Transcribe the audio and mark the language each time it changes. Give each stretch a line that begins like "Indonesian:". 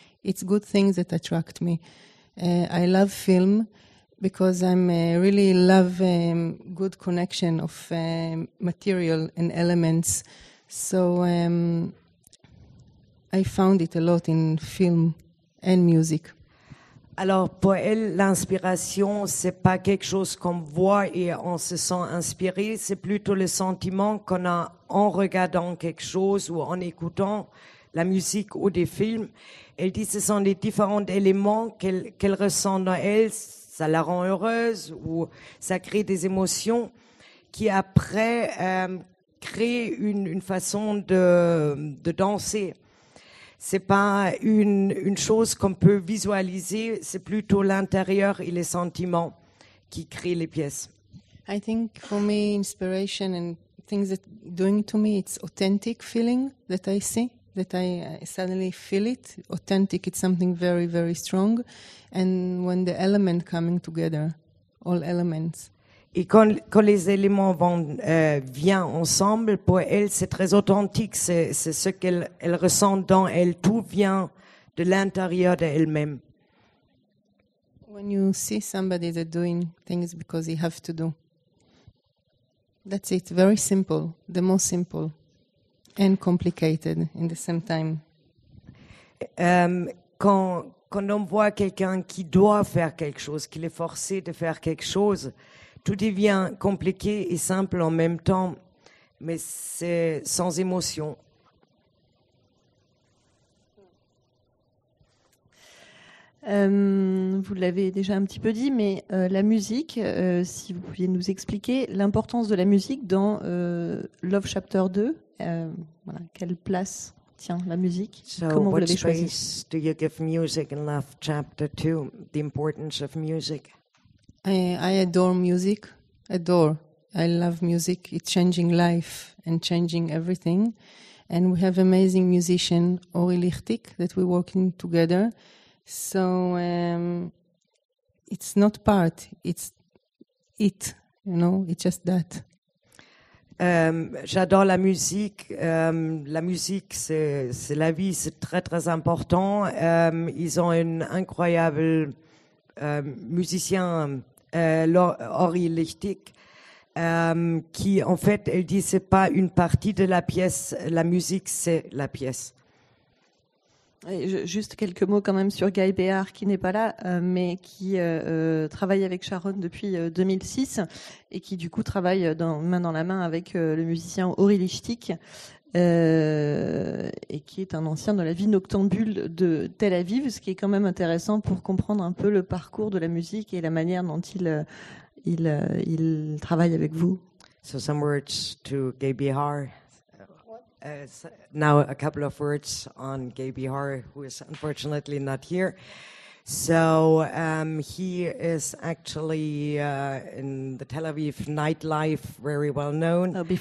English: It's good things that attract me. I love film because I really love good connection of material and elements. So I found it a lot in film and music.
French: Alors, pour elle, l'inspiration, c'est pas quelque chose qu'on voit et on se sent inspiré, c'est plutôt le sentiment qu'on a en regardant quelque chose ou en écoutant la musique ou des films. Elle dit que ce sont les différents éléments qu'elle ressent dans elle, ça la rend heureuse ou ça crée des émotions qui après créent une façon de danser. C'est pas une chose qu'on peut visualiser, c'est plutôt l'intérieur et les sentiments qui créent les pièces.
English: I think for me, inspiration and things that doing to me, it's authentic feeling that I see, that I suddenly feel it. Authentic, it's something very, very strong. And when the element coming together, all elements.
French: Et quand les éléments viennent ensemble, pour elle, c'est très authentique. C'est ce qu'elle ressent dans elle. Tout vient de l'intérieur d'elle-même.
English: When you see somebody that doing things because he have to do, that's it. Very simple, the most simple, and complicated in the same time.
French: Quand on voit quelqu'un qui doit faire quelque chose, qu'il est forcé de faire quelque chose. Tout devient compliqué et simple en même temps, mais c'est sans émotion. Vous l'avez déjà un petit peu dit, mais la musique, si vous pouviez nous expliquer l'importance de la musique dans Love Chapter 2, voilà, quelle place tient la musique,
English: so
French: comment vous l'avez choisi?
English: What space do you give music in Love Chapter 2, the importance of music? I adore music, I love music, it's changing life and changing everything. And we have amazing musician, Ori Lichtig, that we're working together. So it's not part, it's it, you know, it's just that.
French: J'adore la musique c'est la vie, c'est très très important. Ils ont une incroyable musicien, Ori Lichtig, qui en fait, elle dit, c'est pas une partie de la pièce, la musique, c'est la pièce. Et juste quelques mots quand même sur Guy Béard, qui n'est pas là, mais qui travaille avec Sharon depuis 2006 et qui du coup travaille main dans la main avec le musicien Ori Lichtig, et qui est un ancien de la vie noctambule de Tel Aviv, ce qui est quand même intéressant pour comprendre un peu le parcours de la musique et la manière dont il travaille avec vous.
English: So some words to Guy Béard. Now a couple of words on Guy Béard, who is unfortunately not here. So he is actually in the Tel Aviv nightlife, very well known.